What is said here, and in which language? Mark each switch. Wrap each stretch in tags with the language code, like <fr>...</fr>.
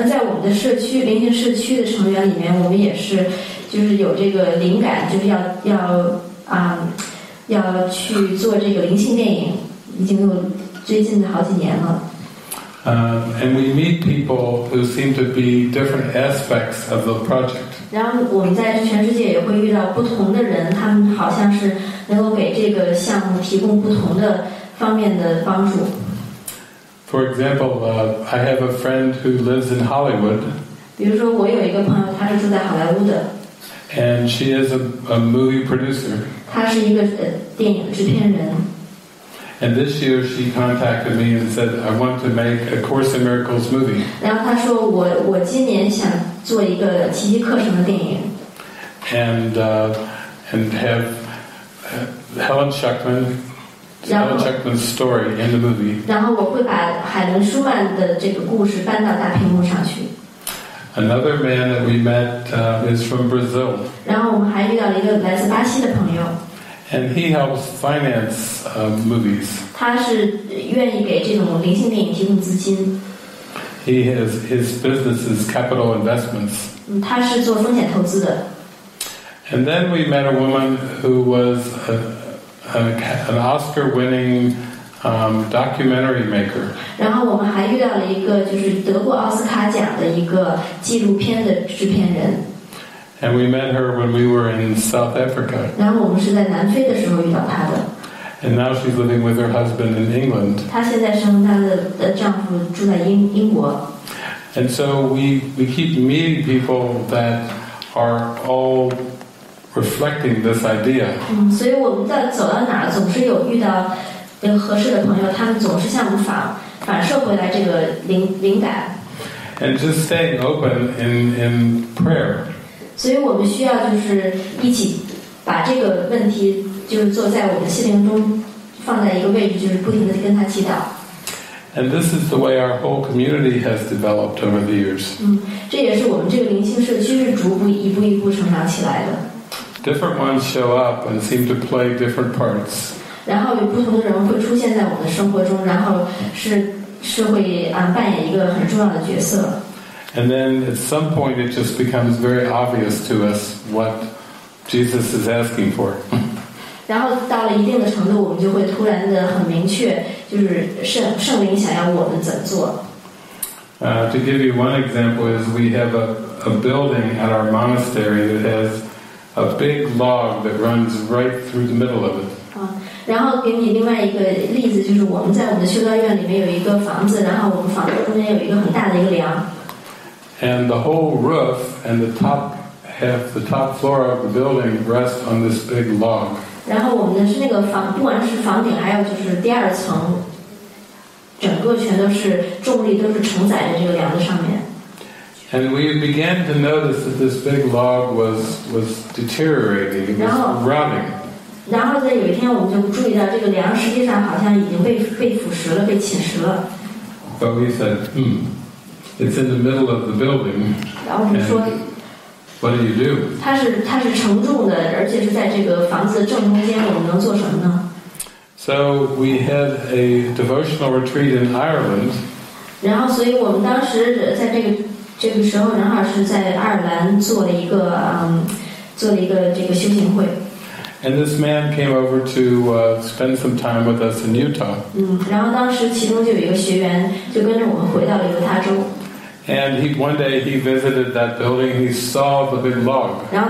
<zh>在我们的社区，灵性社区的成员里面，我们也是就是有这个灵感，就是要去做这个灵性电影，已经有最近的好几年了。</zh> <en>And we meet people who seem to be different aspects of the project.</en> <zh>然后我们在全世界也会遇到不同的人，他们好像是能够给这个项目提供不同的方面的帮助。</zh> <en>For example, I have a friend who lives in Hollywood.</en> <zh>比如说我有一个朋友，他是住在好莱坞的。</zh> <en>And she is a movie producer.</en> <zh>她是一个电影制片人。</zh> <en>And this year she contacted me and said, I want to make a Course in Miracles movie.</en> <zh>然后她说我今年想做一个奇迹课程的电影。</zh> <en>And have Helen Schuckman's story in the movie.</en> <zh>然后我会把海伦舒曼的这个故事搬到大屏幕上去。</zh> <en>Another man that we met is from Brazil.</en> <zh>然后我们还遇到了一个来自巴西的朋友。</zh> <en>And he helps finance movies.</en> <zh>他是愿意给这种灵性电影提供资金。</zh> <en>He has his business is capital investments.</en> <zh>他是做风险投资的。</zh> <en>And then we met a woman who was an Oscar-winning documentary maker.</en> <zh>然后我们还遇到了一个就是得过奥斯卡奖的一个纪录片的制片人。</zh> <en>And we met her when we were in South Africa.</en> <zh>然后我们是在南非的时候遇到她的。</zh> <en>And now she's living with her husband in England.</en> <zh>她现在生她的丈夫住在英国。</zh> <en>And so we keep meeting people that are all reflecting this idea.</en> <zh>所以我们在走到哪儿总是有遇到合适的朋友，他们总是向我们反射回来这个灵感。</zh> <en>And just staying open in prayer.</en> <zh>所以我们需要就是一起把这个问题就是坐在我们心灵中放在一个位置，就是不停地跟他祈祷。</zh> <en>And this is the way our whole community has developed over the years.</en> <zh>这也是我们这个灵性社区是逐步一步一步成长起来的。</zh> <en>Different ones show up and seem to play different parts.</en> <zh>然后有不同的人会出现在我们的生活中，然后是会扮演一个很重要的角色。</zh> <en>And then at some point it just becomes very obvious to us what Jesus is asking for.</en> <zh>然后到了一定的程度，我们就会突然的很明确，就是圣灵想要我们怎么做。</zh> <en>To give you one example is we have a building at our monastery that has a big log that runs right through the middle of it.</en> <zh>然后给你另外一个例子，就是我们在我们的修道院里面有一个房子，然后我们房子中间有一个很大的一个梁。</zh> <en>And the whole roof and the top half, the top floor of the building rest on this big log.</en> <zh>然后我们的是那个房，不管是房顶，还有就是第二层，整个全都是重力都是承载在这个梁子上面。</zh> <en>And we began to notice that this big log was deteriorating, it was rotting.</en> <zh>然后在有一天，我们就注意到这个梁实际上好像已经被腐蚀了，被侵蚀了。</zh> <en>But we said, It's in the middle of the building.</en> <zh>然后我们说</zh> <en>What do you do?</en> <zh>它是承重的，而且是在这个房子正中间，我们能做什么呢？</zh> <en>So we had a devotional retreat in Ireland.</en> <zh>然后所以我们当时在这个时候，正好是在爱尔兰做了一个这个修行会。</zh> <en>And this man came over to spend some time with us in Utah.</en> <zh>然后当时其中就有一个学员就跟着我们回到了犹他州。</zh> <en>And he, one day he visited that building, he saw the big log.</en>